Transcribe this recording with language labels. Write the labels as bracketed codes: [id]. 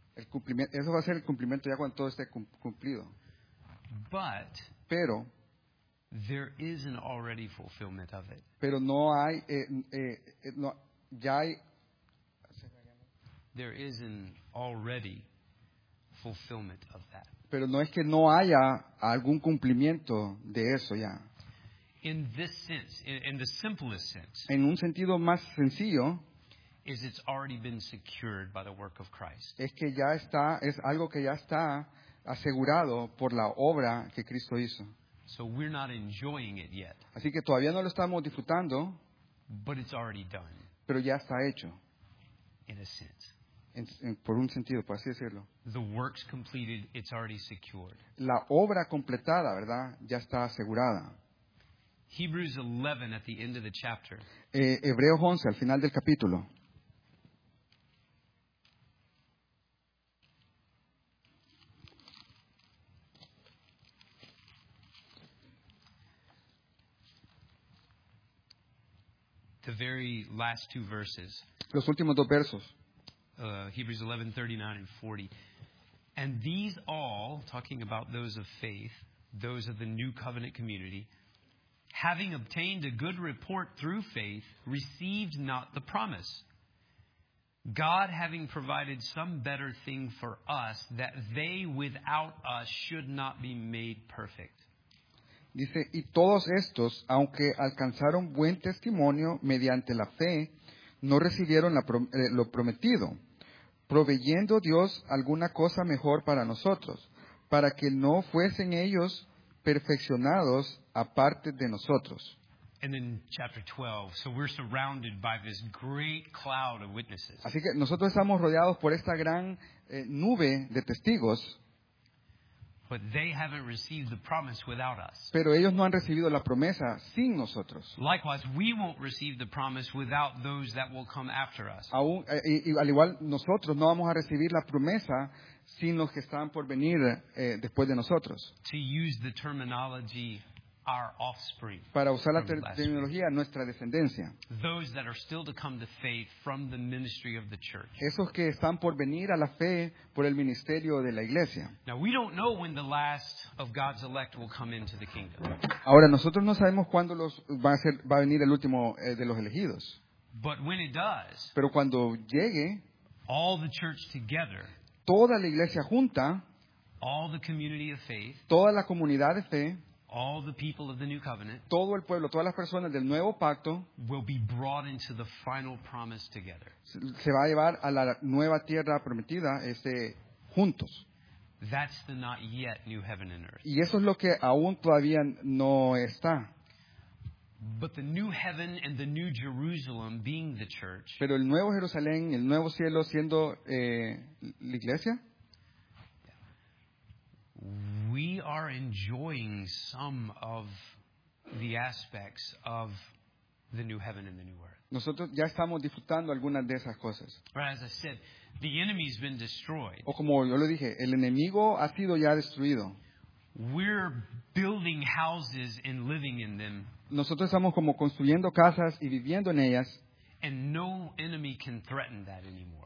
[es] El cumplimiento, eso va a ser el cumplimiento ya cuando todo esté cumplido. [en] But [es] pero [en] there is an already fulfillment of it. [es] Pero no hay, no, ya hay. [en] There is an already fulfillment of that. [es] Pero no es que no haya algún cumplimiento de eso ya. [en] In this sense, in the simplest sense. [es] En un sentido más sencillo. [en] Is it's already been secured by the work of Christ. [es] Es que ya está, es algo que ya está asegurado por la obra que Cristo hizo. [en] So we're not enjoying it yet. [es] Así que todavía no lo estamos disfrutando. [en] But it's already done. [es] Pero ya está hecho. [en] In a sense. [es] Por un sentido, por así decirlo. [en] The work's completed, it's already secured. [es] La obra completada, ¿verdad? Ya está asegurada. [en] Hebrews 11 at the end of the chapter. [es] Hebreos 11 al final del capítulo. [en] The very last two verses. [es] Los últimos dos versos. [en] Hebrews 11:39 and 40. And these all, talking about those of faith, those of the new covenant community, having obtained a good report through faith, received not the promise. God having provided some better thing for us, that they without us should not be made perfect. [es] Dice, y todos estos, aunque alcanzaron buen testimonio mediante la fe, no recibieron lo prometido, proveyendo Dios alguna cosa mejor para nosotros, para que no fuesen ellos perfeccionados aparte de nosotros. [en] And then chapter 12, so we're surrounded by this great cloud of witnesses. [es] Así que nosotros estamos rodeados por esta gran nube de testigos. [en] But they haven't received the promise without us. [es] Pero ellos no han recibido la promesa sin nosotros. [en] Likewise, we won't receive the promise without those that will come after us. [es] Aún, al igual, nosotros no vamos a recibir la promesa sin los que están por venir después de nosotros. [en] To use the terminology, our offspring. [es] Para usar la terminología, nuestra descendencia. [en] Those that are still to come to faith from the ministry of the church. [es] Esos que están por venir a la fe por el ministerio de la iglesia. [en] Now we don't know when the last of God's elect will come into the kingdom. [es] Ahora nosotros no sabemos cuándo va a venir el último de los elegidos. [en] But when it does, [es] pero cuando llegue, [en] all the church together, [es] toda la iglesia junta, [en] all the community of faith, [es] toda la comunidad de fe, [en] all the people of the new covenant, [es] todo el pueblo, todas las personas del nuevo pacto, [en] will be brought into the final promise together. [es] Se va a llevar a la nueva tierra prometida, juntos. [en] That's the not yet new heaven and earth. [es] Y eso es lo que aún todavía no está. [en] But the new heaven and the new Jerusalem being the church. [es] Pero el nuevo Jerusalén, el nuevo cielo siendo la iglesia. [en] We are enjoying some of the aspects of the new heaven and the new earth. [es] Nosotros ya estamos disfrutando algunas de esas cosas. [en] But as I said, the enemy's been destroyed. [es] O como yo lo dije, el enemigo ha sido ya destruido. [en] We're building houses and living in them. [es] Nosotros estamos como construyendo casas y viviendo en ellas. [en] And no enemy can threaten that anymore.